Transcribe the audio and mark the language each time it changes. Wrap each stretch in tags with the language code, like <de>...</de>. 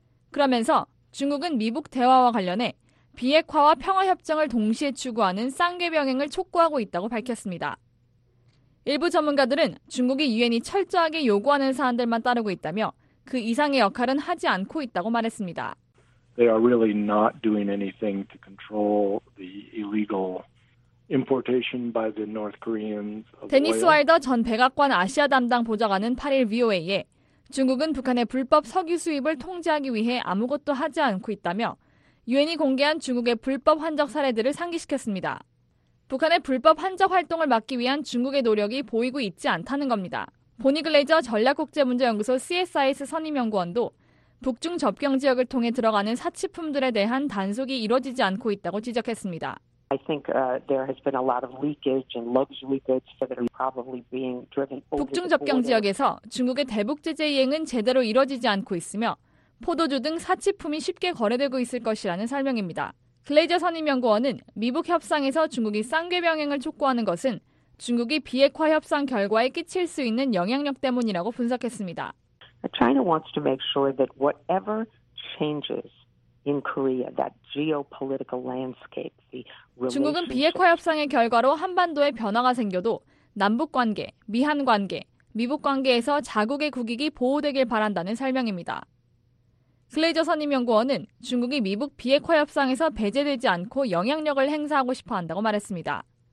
<ko>그러면서 중국은 미북 대화와 관련해 비핵화와 평화협정을 동시에 추구하는 쌍계병행을 촉구하고 있다고 밝혔습니다. 일부 전문가들은 중국이 유엔이 철저하게 요구하는 사안들만 따르고 있다며 그 이상의 역할은 하지 않고 있다고 말했습니다.</ko> <en>They are really not doing anything to control the illegal importation by the North Koreans.</en> <ko>데니스 와일더 전 백악관 아시아 담당 보좌관은 8일 VOA에 중국은 북한의 불법 석유 수입을 통제하기 위해 아무것도 하지 않고 있다며 유엔이 공개한 중국의 불법 환적 사례들을 상기시켰습니다. 북한의 불법 환적 활동을 막기 위한 중국의 노력이 보이고 있지 않다는 겁니다. 보니 글레이저 전략국제문제연구소 CSIS 선임연구원도 북중 접경지역을 통해 들어가는 사치품들에 대한 단속이 이루어지지 않고 있다고 지적했습니다.</ko> <en>I think there has been a lot of leakage and luxury goods that are probably being driven over.</en> <ko>북중 접경 지역에서 중국의 대북 제재 이행은 제대로 이루어지지 않고 있으며 포도주 등 사치품이 쉽게 거래되고 있을 것이라는 설명입니다. 글레이저 선임 연구원은 미북 협상에서 중국이 쌍계 병행을 촉구하는 것은 중국이 비핵화 협상 결과에 끼칠 수 있는 영향력 때문이라고 분석했습니다.</ko> <en>China wants to make sure that whatever changes in Korea, that geopolitical landscape, the relationship.</en> <ko>중국은 비핵화 협상의 결과로 한반도에 변화가 생겨도 남북관계, 미한관계, 미북관계에서 자국의 국익이 보호되길 바란다는 설명입니다. 글레이저 선임연구원은 중국이 미북 비핵화 협상에서 배제되지 않고 영향력을 행사하고 싶어 한다고 말했습니다.</ko>